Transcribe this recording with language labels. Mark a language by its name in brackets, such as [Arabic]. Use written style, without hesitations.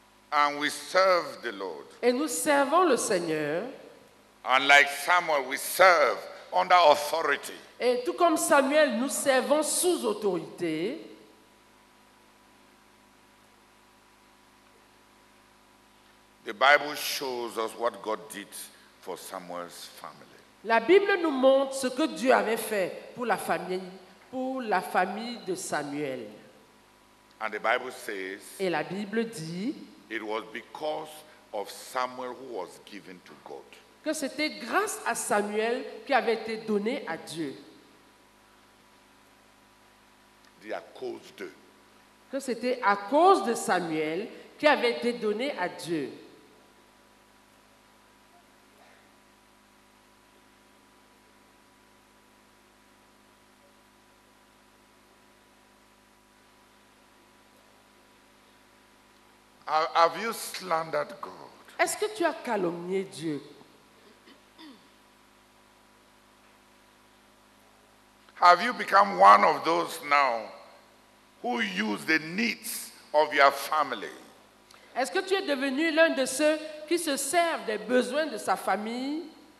[English] and we serve the Lord, [French] et nous servons le Seigneur, [English] and like Samuel, we serve under authority, [French] et tout comme Samuel, nous servons sous autorité, [English] the Bible shows us what God did for Samuel's family. [French] La Bible nous montre ce que Dieu avait fait pour la famille de Samuel. [English] And the Bible says, [French] et la Bible dit [English] it was because of Samuel who was given to God. [French] Que c'était grâce à Samuel qui avait été donné à Dieu. À cause de. Que c'était à cause de Samuel qui avait été donné à Dieu. [English] Have you slandered God? [French] Est-ce que tu as calomnié Dieu? [English] Have you become one of those now who use the needs of your family? [French] Est-ce que tu es devenu l'un de ceux qui se servent des besoins de sa famille?